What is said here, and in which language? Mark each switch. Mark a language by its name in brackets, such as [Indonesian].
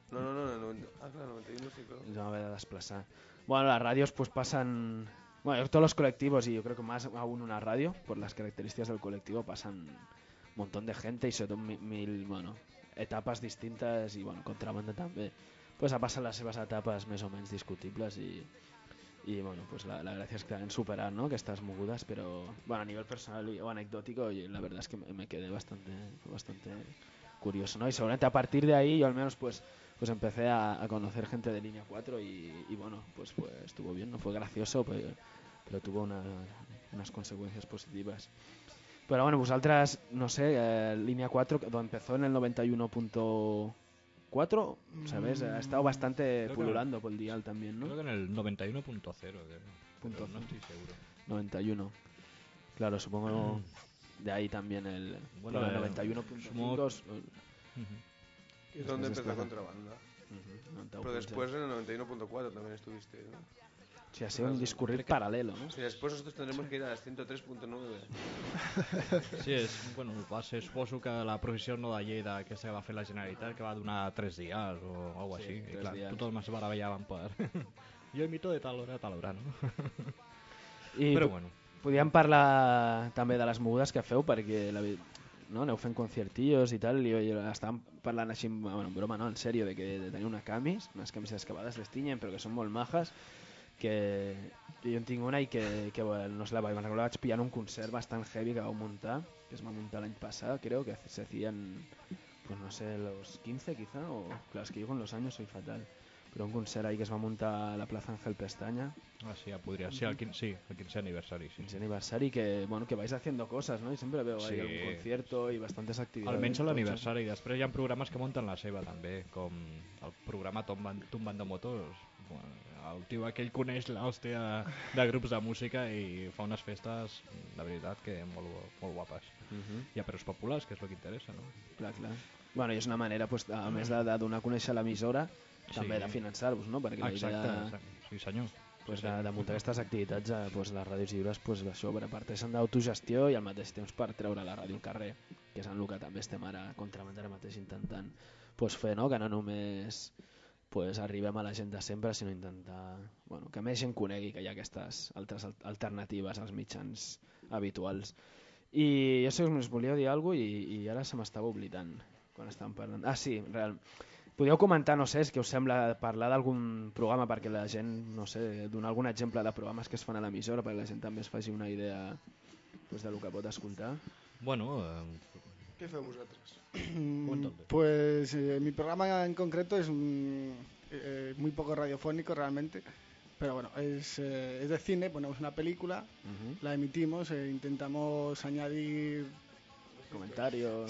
[Spanish] No, en el 91 sí, claro. Me había desplazado. Bueno, las radios pues pasan, bueno, todos los colectivos y yo creo que más aún una radio, por las características del colectivo pasan un montón de gente y sobre todo mil, bueno, etapas distintas y bueno, Contrabanda también. [Catalan] Pues ha passat les seves etapes més o menys discutibles i bueno, pues la gràcia és que han superat, no?, aquestes mogudes, però bueno, a nivell personal o anecdòtic la veritat és que [Spanish] me quedé bastante curioso, no? [Catalan] I segurament a partir d'ahí jo almenys pues [Spanish] empecé a conocer gente [Catalan] de Línia 4 i bueno, [Spanish] pues estuvo bien, no fue gracioso, pero tuvo unas consecuencias positivas. [Catalan] Però bueno, vosaltres, no sé, Línia 4, [Spanish] donde empezó en el 91. 4, ¿sabes? Ha estado bastante pululando por el dial también, ¿no? Creo que en el 91.0, no estoy seguro. 91. Claro, supongo de ahí también el... Bueno, el 91.5. ¿Dónde empezó Contrabanda? Pero después en el 91.4 también estuviste, ¿no? Sí, ha sido un discurrir paralelo, ¿no? Sí, después nosotros tendremos que ir a las 103.9. [Catalan] Sí, es, bueno, va ser, suposo que la procesió no de Lleida que se va fer la Generalitat, que va donar 3 dies o algo així. Sí, clar, dies. Tothom es barallava en poder. Jo imito de tal hora a tal hora, no? I però bueno. Podríem parlar també de les mogudes que feu, perquè la, no, aneu fent conciertillos i tal, i estàvem parlant així, bueno, en broma, no, en sèrio, de que teniu una camis, unes camises excavades, les tinyen, però que són molt majes, que jo en tinc una i que bueno, no se la vaig, me'n recordo, vaig pillant un concert bastant heavy que vau muntar, que es va muntar l'any passat, creo, [Spanish] que se hacían, pues no sé, los 15, quizá, o, claro, es que yo con los años soy fatal, [Catalan] però un concert ahí que es va muntar a la plaça Ángel Pestaña. Ah, sí, ja podria ser, sí, el 15 aniversari, sí. [Spanish] 15 aniversari, que, bueno, que vais haciendo cosas, ¿no? Y siempre veo ahí sí, algún concierto y bastantes actividades. [Catalan] Almenys l'aniversari, i després hi ha programes que munten la seva, també, com el programa Tumbando Motos. El tio aquell coneix l'hòstia de grups de música i fa unes festes, de veritat, que molt, molt guapes. Uh-huh. I a preus populars, que és el que interessa, no? Clar, clar. Bueno, i és una manera, pues, a més de donar a conèixer l'emissora, també sí, de finançar-vos, no? Perquè exacte, ja, sí senyor. Pues sí, senyor. De muntar aquestes activitats, pues, les ràdios lliures, pues, això, per aparteixen d'autogestió i al mateix temps per treure la ràdio al carrer, que és en el que també estem ara contramant ara mateix intentant, pues, fer, no? Que no només, pues, arribem a la gent de sempre, sinó intentar, bueno, que més gent conegui que hi ha aquestes altres alternatives als mitjans habituals. I jo sé que us volia dir alguna cosa i ara se m'estava oblidant quan estàvem parlant. Ah, sí, real. Podríeu comentar, no sé, què us sembla parlar d'algun programa perquè la gent, no sé, donar algun exemple de programes que es fan a l'emissora perquè la gent també es faci una idea, pues, del que pot escoltar. Bueno, Què feu vosaltres? [Spanish] Cuéntame. Pues mi programa en concreto es muy poco radiofónico realmente, pero bueno, es de cine, ponemos una película, uh-huh, la emitimos, intentamos añadir... Comentarios.